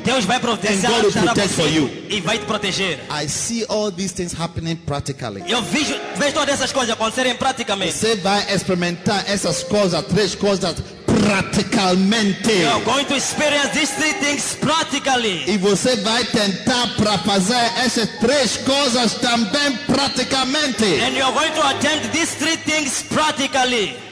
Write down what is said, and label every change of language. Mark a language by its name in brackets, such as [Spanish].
[Portuguese] Deus vai proteger. [English] And God will protect for you. [Portuguese] E vai te proteger. [English] I see all these things happening practically. [Portuguese] Eu vejo todas essas coisas acontecerem praticamente. Você vai experimentar essas coisas, três coisas. Praticamente. [English] You are going to experience these three things practically. [Portuguese] E você vai tentar para fazer essas três coisas também praticamente. [English] And you are going to attempt these three things practically.